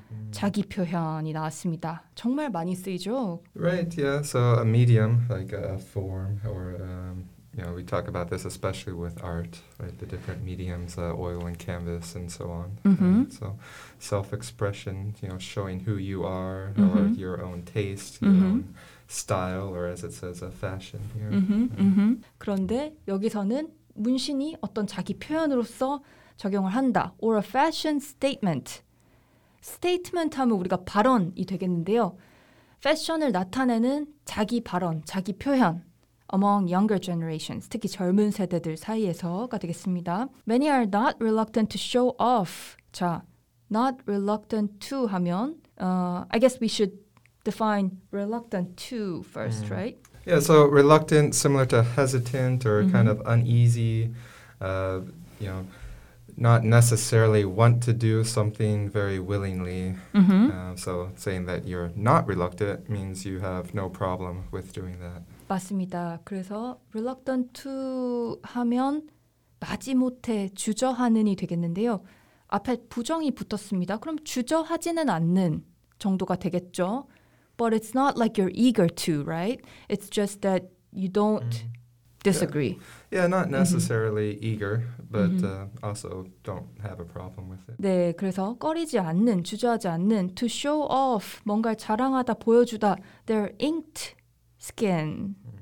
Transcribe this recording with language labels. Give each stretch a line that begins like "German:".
Korean: 자기 표현이 나왔습니다. 정말 많이 쓰이죠?
English: Right, yeah. So a medium, like a form, or, you know, we talk about this especially with art, right? The different mediums, oil and canvas and so on. Right? So self-expression, you know, showing who you are or your own taste, your own style, or as it says, a fashion. Here. Yeah.
Korean: 그런데 여기서는 문신이 어떤 자기 표현으로서 적용을 한다.
English: Or a fashion statement. Statement 하면 우리가 발언이 되겠는데요.
Korean: 패션을 나타내는 자기 발언, 자기 표현 among younger generations, 특히 젊은 세대들 사이에서가 되겠습니다.
English: Many are not reluctant to show off. 자, not reluctant to 하면 I guess we should define reluctant to first, right? Yeah, so reluctant, similar to hesitant or kind of uneasy, you know, not necessarily want to do something very willingly. So saying that you're not reluctant means you have no problem with doing that.
Korean: 맞습니다. 그래서 reluctant to 하면 마지못해 주저하는이 되겠는데요. 앞에 부정이 붙었습니다. 그럼 주저하지는 않는 정도가 되겠죠.
English: But it's not like you're eager to, right? It's just that you don't disagree. Yeah, not necessarily eager, but also don't have a problem with it.
Korean: 네, 그래서 꺼리지 않는, 주저하지 않는, to show off, 뭔가를 자랑하다, 보여주다, their inked skin.